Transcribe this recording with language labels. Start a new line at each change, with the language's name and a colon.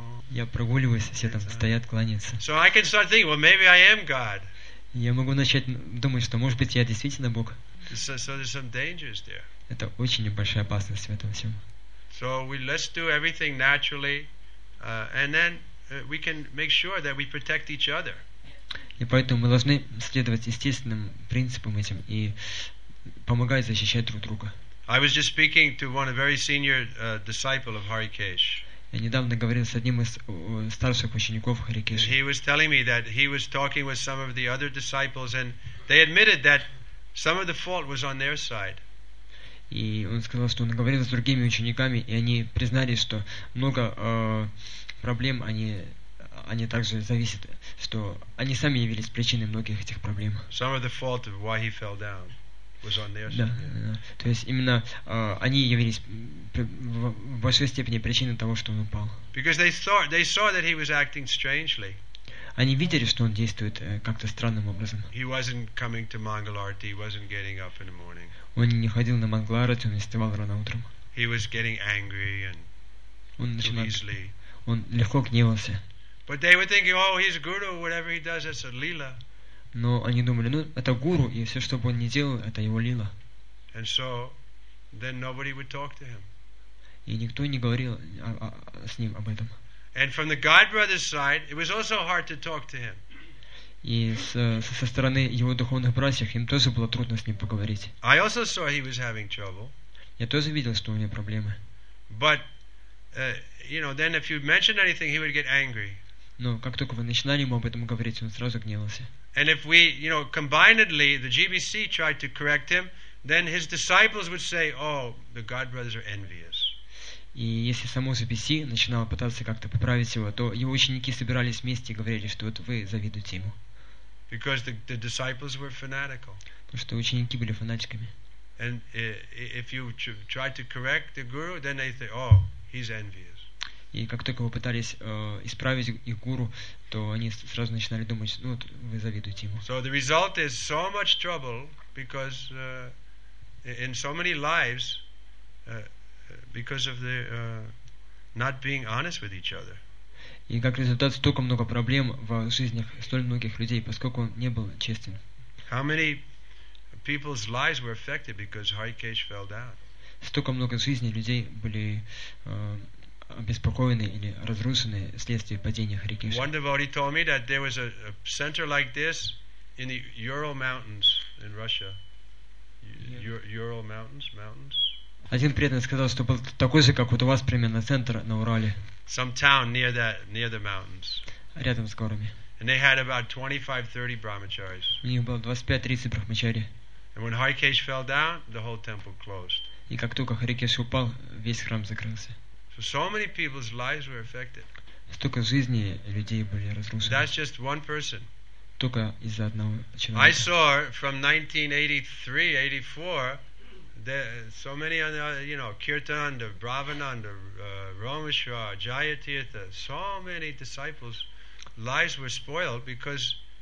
Russian: Я прогуливаюсь, все там стоят, кланяются.
English: So I can start thinking, well, maybe I am God.
Russian: Я могу начать думать, что, может быть, я действительно Бог.
English: So there's some dangers there.
Russian: Это очень небольшая опасность в этом всем.
English: So let's do everything naturally, and then we can make sure that we protect each other.
Russian: И поэтому мы должны следовать естественным принципам этим и помогать защищать друг друга.
English: I was just speaking to one very senior disciple of Hari Kesh.
Russian: Я недавно говорил с одним из старших учеников Хари Кеша.
English: He was telling me that he was talking with some of the other disciples and they admitted that some of the fault was on their side.
Russian: И он сказал, что он говорил с другими учениками, и они признали, что много проблем они также зависят, что они сами явились причиной многих этих проблем.
English: Some of the fault of why he fell down.
Russian: Да, то есть именно они явились в большой степени причиной того, что он упал.
English: Because they saw that he was acting strangely.
Russian: Они видели, что он действует как-то странным образом.
English: He wasn't coming to Mangalarti. He wasn't getting up in the morning.
Russian: Он не ходил на Мангаларти, он не вставал рано утром.
English: He was getting angry and easily.
Russian: Он легко гневался.
English: But they were thinking, oh, he's guru, whatever he does, that's a lila.
Russian: Но они думали, ну, это гуру, и все, что бы он ни делал, это его лила.
English: And so, then nobody would talk to him.
Russian: И никто не говорил с ним об этом.
English: And from the God brother's side, it was also hard to talk to him.
Russian: И со стороны его духовных братьев, им тоже было трудно с ним поговорить.
English: I also saw he was having trouble.
Russian: Я тоже видел, что у него проблемы.
English: But, you know, then if you mentioned anything, he would get angry.
Russian: Но как только вы начинали ему об этом говорить, он сразу гневался.
English: And if we, you know, combinedly, the GBC tried to correct him, then his disciples would say, oh, the God brothers are envious.
Russian: И если само GBC начинало пытаться как-то поправить его, то его ученики собирались вместе и говорили, что вот вы завидуете ему.
English: Because the disciples were fanatical.
Russian: Потому что ученики были фанатиками.
English: And if you try to correct the guru, then they say, oh, he's envious.
Russian: И как только вы пытались исправить их гуру, то они сразу начинали думать, ну вот вы завидуете ему.
English: So the result is so much trouble because in so many lives because of the not being honest with each other.
Russian: И как результат столько много проблем в жизнях столь многих людей, поскольку он не был честен.
English: How many people's lives were affected because Hari Kesh fell down?
Russian: Столько много жизней людей были обеспокоены или разрушены вследствие падения Хари Кеша.
English: One devotee told me that there was a center like this in the Ural Mountains in Russia. Ural Mountains.
Russian: Один преданный сказал, что был такой же, как вот у вас примерно центр на Урале.
English: Some town near the mountains.
Russian: Рядом с горами.
English: And they had about 25-30 brahmacharis.
Russian: У них было 25-30 брахмачари.
English: And when Hari Kesh fell down, the whole temple closed.
Russian: И как только Хари Кеша упал, весь храм закрылся.
English: So many people's lives were affected.
Russian: Столько жизней людей были разрушены.
English: That's just one person.
Russian: Только из-за одного человека.
English: I saw from 1983-84 that so many other, you know, Kirtananda, Bhavananda, Romeshwar, Jayatirtha, so many disciples' lives were spoiled because